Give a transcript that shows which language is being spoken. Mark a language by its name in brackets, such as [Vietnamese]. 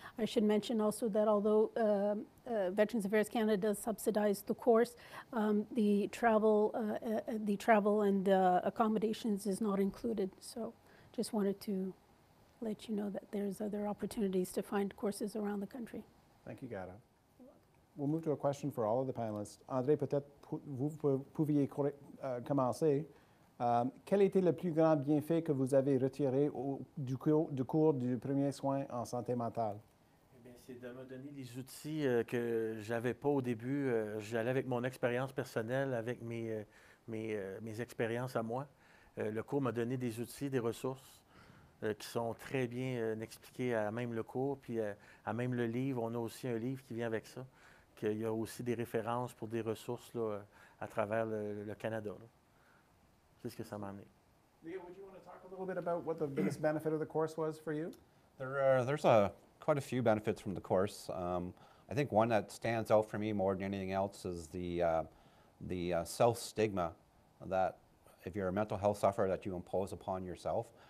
[English] I should mention also that although Veterans Affairs Canada does subsidize the course, the travel and accommodations is not included. So just wanted to let you know that there's other opportunities to find courses around the country. Thank you, Gara. We'll move to a question for all of the panelists. [French] André, peut-être vous pouviez commencer. Quel était le plus grand bienfait que vous avez retiré du cours du premier soin en santé mentale? Eh bien, c'est de me donner les outils que je n'avais pas au début. J'allais avec mon expérience personnelle, avec mes expériences à moi. Le cours m'a donné des outils, des ressources qui sont très bien expliquées à même le cours, puis à même le livre. On a aussi un livre qui vient avec ça, qu'il y a aussi des références pour des ressources là, à travers le Canada. Là. [English] Leo, would you want to talk a little bit about what the biggest benefit of the course was for you? There's quite a few benefits from the course. I think one that stands out for me more than anything else is the self-stigma that if you're a mental health sufferer that you impose upon yourself.